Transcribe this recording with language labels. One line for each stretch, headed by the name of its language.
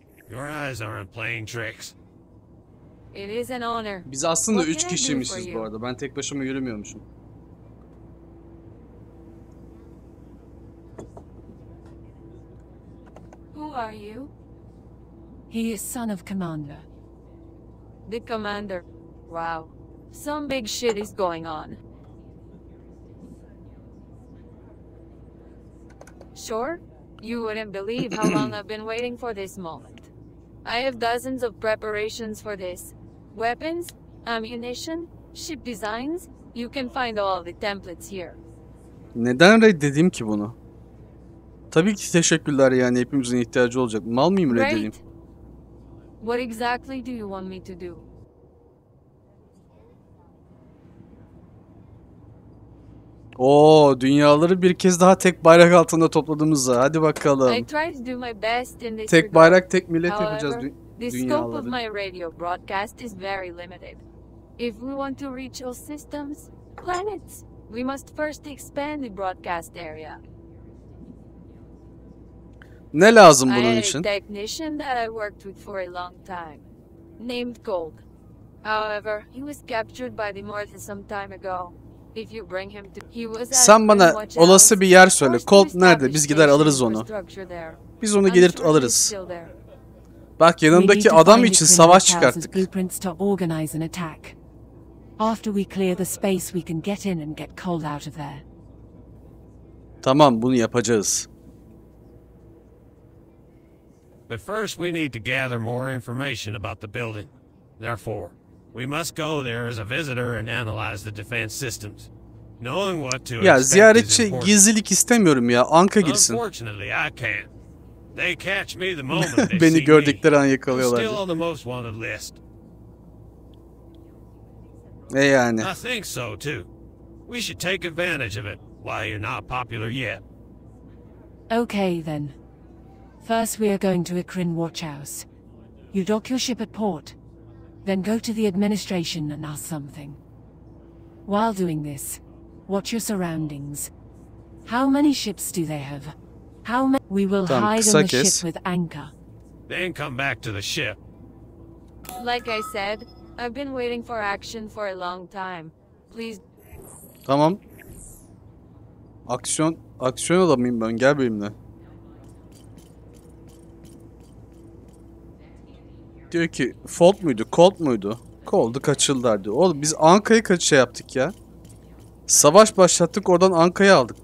English: Your eyes aren't playing tricks. It is an honor.
Turkish: Biz aslında 3 kişiymişiz bu arada. Ben tek başıma yürümüyormuşum.
English: Who are you? He is son of commander. The commander. Wow. Some big shit is going on. Sure? You wouldn't believe how long I've been waiting for this moment. I have dozens of preparations for this. Weapons, ammunition, ship designs, you can find all the templates here.
Turkish: Neden reddedeyim ki bunu? Tabii ki teşekkürler, yani hepimizin ihtiyacı olacak. Mal mıyım reddedeyim?
English: What exactly do you want me to do?
Turkish: Oo, dünyaları bir kez daha tek bayrak altında topladığımızda. Hadi bakalım.
English: I tried to do my best in this.
Turkish: Tek bayrak, tek millet yapacağız.
English: The scope of my radio broadcast is very limited. If we want to reach all systems, planets, we must first expand the broadcast area.
Turkish: Ne lazım bunun için?
English: I had a technician that I worked with for a long time, named Cold. However, he was captured by the Morta some time ago. If you bring him to, he was.
Turkish: Sen bana olası bir yer söyle. Cold nerede? Biz gider alırız onu. Biz onu gelir alırız. Bak, yanındaki adam için savaş çıkarttık.
English: Blueprints to organize an attack. After we clear the space, we can get in and get Cold out of there.
Turkish: Tamam, bunu yapacağız.
English: But first we need to gather more information about the building. Therefore, we must go there as a visitor and analyze the defense systems. Knowing what to expect.
Turkish: Ya ziyaretçi gizlilik istemiyorum ya. Anka girsin.
English: Unfortunately, I can't. They catch me the moment
Turkish: beni gördükleri an yakalıyorlar.
English: Still on the most wanted list.
Turkish: Yani.
English: I think so too. We should take advantage of it while you're not popular yet. Okay then. First we are going to Ikrin Watch House. You dock your ship at port. Then go to the administration and ask something. While doing this, watch your surroundings. How many ships do they have? How many? We will hide on the ship with anchor. Then come back to the ship. Like I said, I've been waiting for action for a long time. Please.
Turkish: Tamam. Aksiyon, aksiyon alamayayım ben. Gel benimle. Diyor ki, Fold muydu, Cold muydu? Cold'u kaçırdılar diyor. Oğlum biz Anka'yı kaç şey yaptık ya? Savaş başlattık, oradan Anka'yı aldık.